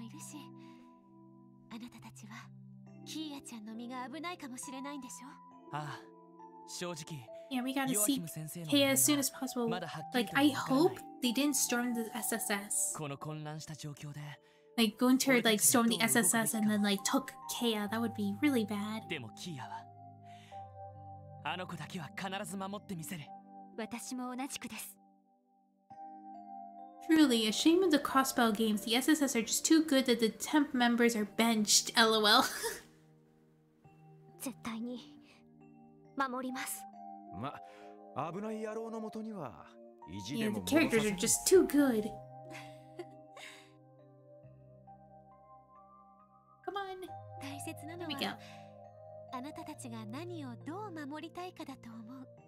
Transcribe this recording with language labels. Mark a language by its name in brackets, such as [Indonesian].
[English] You guys think Kiya-chan's life might be dangerous, right? Yes. [Japanese] 正直、 [English] yeah, we gotta see Kea as soon as possible. Like, I hope they didn't storm the SSS. [Japanese] この混乱した状況で、 [English] like, Gunter, like, stormed the SSS and then, like, took Kea. That would be really bad. [Japanese] でも、Kea は、あの子だけは必ず守ってみせる。私も同じくです。 [English] Truly, a shame of the Crossbell games. The SSS are just too good that the temp members are benched, lol. [Japanese] 絶対に。守ります。ま、危ない野郎のもとには意地でも戻させます。 [English] Yeah, the characters are just too good. Come on. [Japanese] 大切なのはあなたたちが何をどう守りたいかだと思う。